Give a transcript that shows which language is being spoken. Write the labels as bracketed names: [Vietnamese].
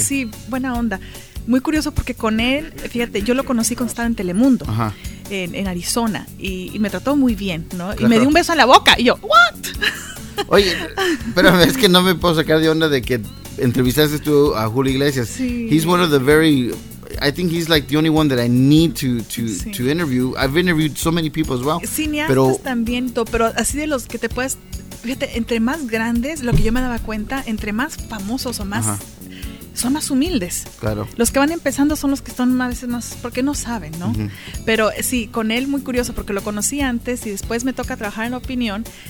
[Spanish] Sí, buena onda. Muy curioso porque con él, fíjate, yo lo conocí cuando estaba en Telemundo. Ajá. En Arizona. Y me trató muy bien, ¿no? Claro. Y me dio un beso en la boca. Y yo, ¿what? Oye, pero es que no me puedo sacar de onda de que entrevistaste tú a Julio Iglesias. Sí. [English] He's one of the very... I think he's like the only one that I need to interview. I've interviewed so many people as well. [Spanish] Cineastas pero, también, pero así de los que te puedes... Fíjate, entre más grandes, lo que yo me daba cuenta, entre más famosos o más... Son más humildes. Claro. Los que van empezando son los que están a veces más... Porque no saben, ¿no? Uh-huh. Pero sí, con él muy curioso porque lo conocí antes y después me toca trabajar en Opinión.